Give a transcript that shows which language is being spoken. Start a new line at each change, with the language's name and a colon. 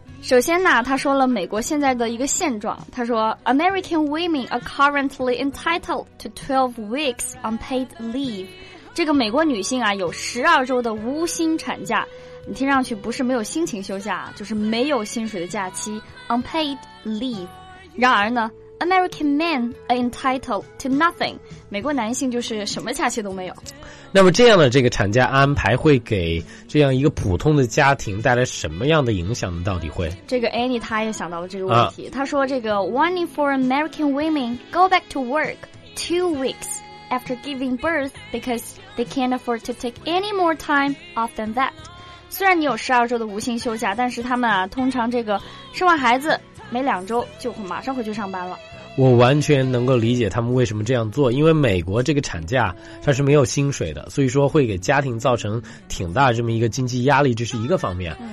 Chinese: 首先呢，他说了美国现在的一个现状，他说
English: American women are currently entitled to 12 weeks unpaid leave，
Chinese: 这个美国女性啊有12周的无薪产假，你听上去不是没有心情休假，就是没有薪水的假期 unpaid leave。然而呢，
English: American men are entitled to nothing，
Chinese: 美国男性就是什么假期都没有。那么这样的这个产假安排会给这样一个普通的家庭带来什么样的影响呢？到底会，这个 Annie 她也想到了这个问题，她说这个
English: One in four American women go back to work 2 weeks after giving birth because they can't afford to take any more time off than that。
Chinese: 虽然你有十二周的无薪休假，但是他们啊通常这个生完孩子每两周就会马上回去上班了。我完全能够理解他们为什么这样做，因为美国这个产假它是没有薪水的，所以说会给家庭造成挺大这么一个经济压力，这是一个方面。